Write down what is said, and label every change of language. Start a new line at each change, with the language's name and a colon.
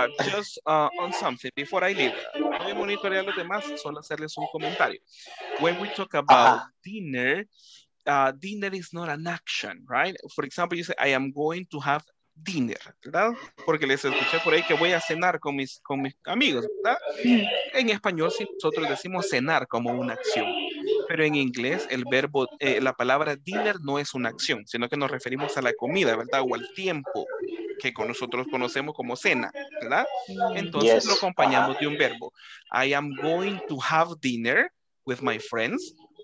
English: Just on something, before I leave,
Spanish: voy a monitorear los demás, solo hacerles un comentario.
English: When we talk about dinner, dinner is not an action, right? For example, you say, I am going to have dinner,
Spanish: ¿verdad? Porque les escuché por ahí que voy a cenar con mis amigos, ¿verdad? En español, sí, nosotros decimos cenar como una acción. Pero en inglés, el verbo, la palabra dinner no es una acción, sino que nos referimos a la comida, ¿verdad? O al tiempo que con nosotros conocemos como cena, ¿verdad? Entonces
English: yes.
Spanish: lo acompañamos de un verbo.
English: I am going to have dinner with my friends.